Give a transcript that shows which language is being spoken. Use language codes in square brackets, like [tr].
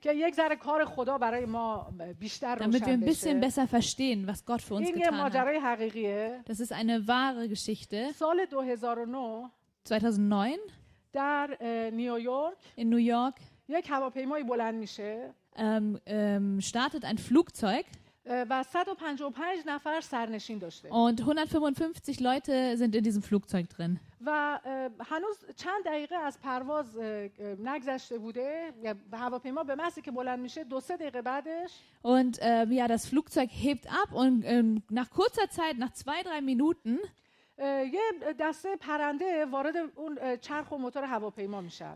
[fa] که یک ذره کار خدا برای ما بیشتر روشن بشه. [de] Damit wir ein bisschen besser verstehen, was Gott für uns getan hat. [fa] این ماجرای حقیقیه. [de] Das ist eine wahre Geschichte. [fa] سال 2009 در نیویورک [de] in New York [fa] یک هواپیمایی بلند میشه. [de] Startet ein Flugzeug. [fa] و 155 نفر سرنشین داشته. [de] Und 155 Leute sind in diesem Flugzeug drin. [fa] و هنوز چند دقیقه از پرواز نگذشته بوده، هواپیما به محضی که بلند میشه 2-3 دقیقه بعدش. [de] Und ja, das Flugzeug hebt ab und nach kurzer Zeit, nach 2-3 Minuten [fa] یه دسته پرنده وارد اون چرخ و موتور هواپیما میشه.